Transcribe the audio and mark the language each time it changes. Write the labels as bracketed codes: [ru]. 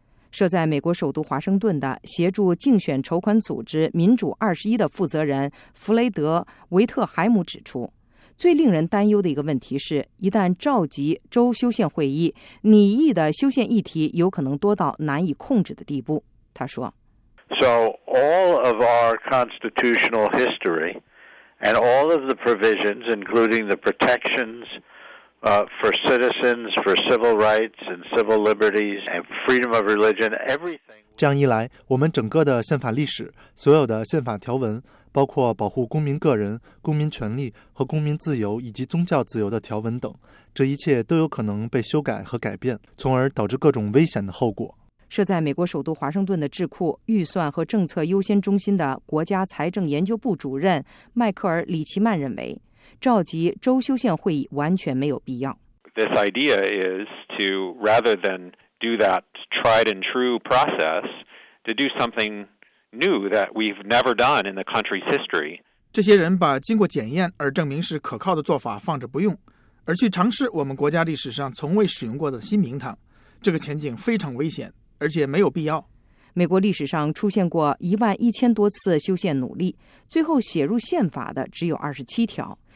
[zh] 设在美国首都华盛顿的协助竞选筹款组织民主21的负责人弗雷德·维特海姆指出，最令人担忧的一个问题是，一旦召集州修宪会议，拟议的修宪议题有可能多到难以控制的地步。他说， [en] So all of our constitutional history and all of the provisions, including the protections for citizens, for civil rights and civil liberties and freedom of religion, everything. [zh] 这样一来，我们整个的宪法历史，所有的宪法条文，包括保护公民个人、公民权利和公民自由以及宗教自由的条文等，这一切都有可能被修改和改变，从而导致各种危险的后果。设在美国首都华盛顿的智库预算和政策优先中心的国家财政研究部主任迈克尔·里奇曼认为，召集州修宪会议完全没有必要。 [en] This idea is to, rather than do that tried and true process, to do something new that we've never done in the country's history. [zh] 这些人把经过检验而证明是可靠的做法放着不用，而去尝试我们国家历史上从未使用过的新名堂，这个前景非常危险。而且没有必要。美国历史上出现过11000多次修宪努力，最后写入宪法的只有27条。